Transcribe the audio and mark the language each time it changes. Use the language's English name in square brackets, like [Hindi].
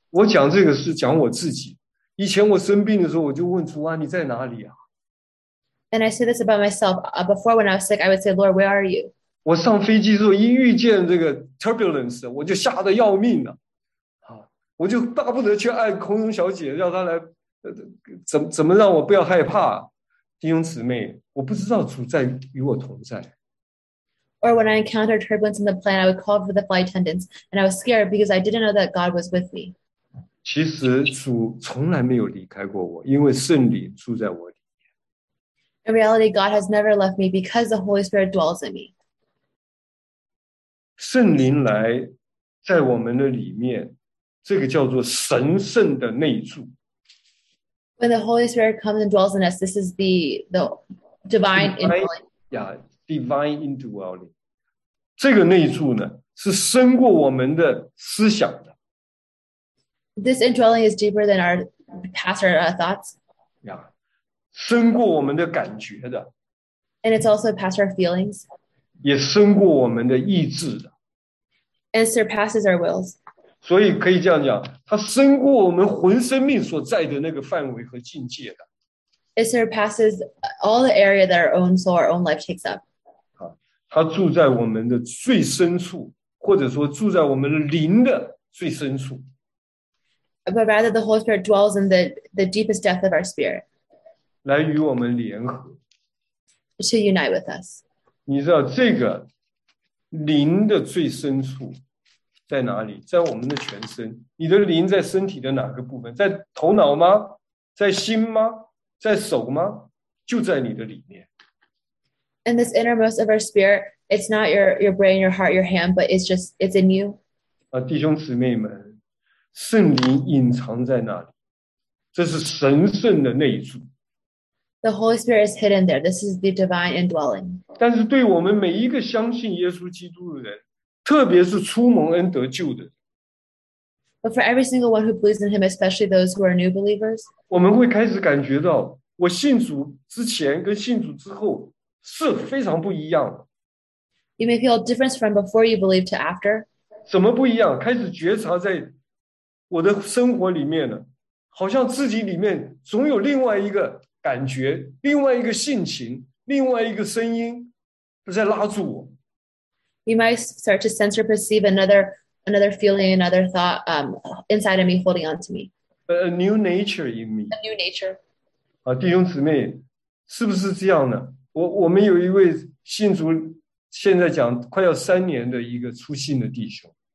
[Chinese] 我讲这个是讲我自己。以前我生病的时候，我就问主啊，你在哪里啊？ [English] And I say this about myself. Before, when I was sick, I would say, Lord, where are you? [Chinese] 我上飞机的时候，一遇见这个 turbulence， 我就吓得要命了。我就大不得去按空中小姐，让她来，怎么让我不要害怕，弟兄姊妹，我不知道主在与我同在。 [English] Or when I encountered turbulence in the plane, I would call for the flight attendants, and I was scared because I didn't know that God was with me. [Chinese] 其实主从来没有离开过我，因为圣灵住在我里面。 [English] In reality, God has never left me because the Holy Spirit dwells in me. [Chinese] 圣灵来在我们的里面。这个叫做神圣的内住。 [English] When the Holy Spirit comes and dwells in us, this is the divine indwelling. Yeah, divine indwelling. [Chinese] 这个内住呢，是深过我们的思想的。 [English] This indwelling is deeper than our past or our thoughts. [Chinese] Yeah, 深过我们的感觉的。 [English] And it's also past our feelings. [Chinese] 也深过我们的意志的。 [English] And surpasses our wills. [Chinese] 所以可以这样讲，它深过我们魂生命所在的那个范围和境界的。 [English] It surpasses all the area that our own soul, our own life takes up. [Chinese] 它住在我们的最深处，或者说住在我们灵的最深处。 [English] But rather, the Holy Spirit dwells in the deepest depth of our spirit. [Chinese] 来与我们联合。 [English] To unite with us. [Chinese] 你知道这个灵的最深处。在哪里？在我们的全身。你的灵在身体的哪个部分？在头脑吗？在心吗？在手吗？就在你的里面。 [English] And this innermost of our spirit, it's not your brain, your heart, your hand, but it's just, it's in you. [Chinese] 啊，弟兄姊妹们，圣灵隐藏在哪里？这是神圣的内住。 [English] The Holy Spirit is hidden there. This is the divine indwelling. [Chinese] 但是对我们每一个相信耶稣基督的人，特别是出蒙恩得救的。 [English] But for every single one who believes in him, especially those who are new believers, [Chinese] 我们会开始感觉到我信主之前跟信主之后是非常不一样的。 [English] You may feel a difference from before you believe to after. [Chinese] 怎么不一样？开始觉察在我的生活里面了，好像自己里面总有另外一个感觉，另外一个性情，另外一个声音在拉住我。 [English] You might start to sense or perceive another feeling, another thought inside of me, holding on to me. A new nature in me. A new nature. [Chinese] 啊，弟兄姊妹，是不是这样呢？我们有一位信主，现在讲快要三年的一个初信的弟兄。